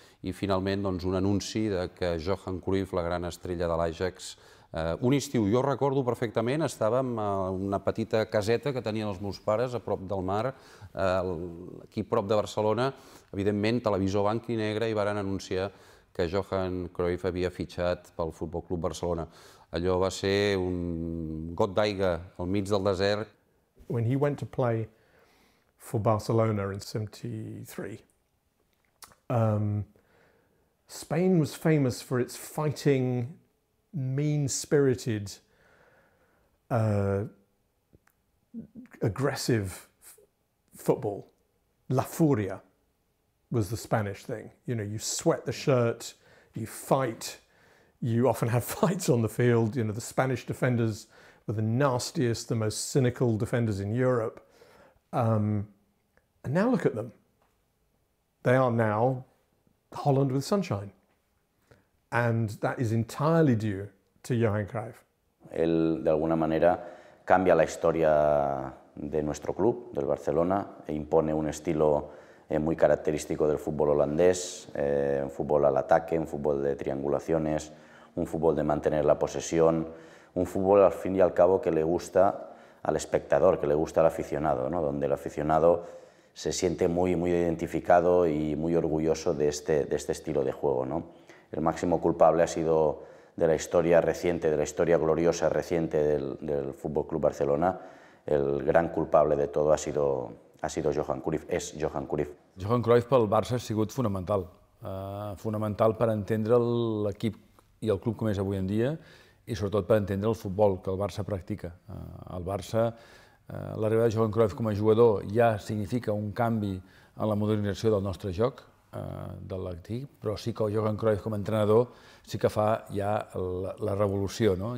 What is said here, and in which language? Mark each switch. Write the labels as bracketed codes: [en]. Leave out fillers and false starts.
[ca] I finalment doncs, un anunci de que Johan Cruyff, la gran estrella de l'Ajax, un estiu, jo recordo perfectament, estàvem a una petita caseta que tenien els meus pares a prop del mar, aquí a prop de Barcelona, evidentment, televisor blanc i negre, i varen anunciar que Johan Cruyff havia fitxat pel Futbol Club Barcelona. Allò va ser un got d'aigua al mig del desert. [en] When he went to play for Barcelona in 73, Spain was famous for its fighting, mean-spirited, aggressive football. La furia was the Spanish thing. You know, you sweat the shirt, you fight, you often have fights on the field. You know, the Spanish defenders were the nastiest, the most cynical defenders in Europe. And now look at them. They are now Holland with sunshine. And that is entirely due to Johan Cruyff. [es] Él, de alguna manera, cambia la historia de nuestro club, del Barcelona, e impone un estilo muy característico del fútbol holandés, un fútbol al ataque, un fútbol de triangulaciones, un fútbol de mantener la posesión, un fútbol, al fin y al cabo, que le gusta al espectador, que le gusta al aficionado, ¿no? Donde el aficionado se siente muy, muy identificado y muy orgulloso de este estilo de juego, ¿no? El máximo culpable ha sido de la historia reciente, de la historia gloriosa reciente del Fútbol Club Barcelona, el gran culpable de todo ha sido Johan Cruyff, es Johan Cruyff. [ca] Johan Cruyff pel Barça ha sigut fonamental, fonamental per entendre l'equip i el club com és avui en dia i sobretot per entendre el futbol que el Barça practica. El Barça, l'arribada de Johan Cruyff com a jugador ja significa un canvi en la modernització del nostre joc, de l'actiu, però sí que Johan Cruyff com a entrenador sí que fa ja la revolució. No?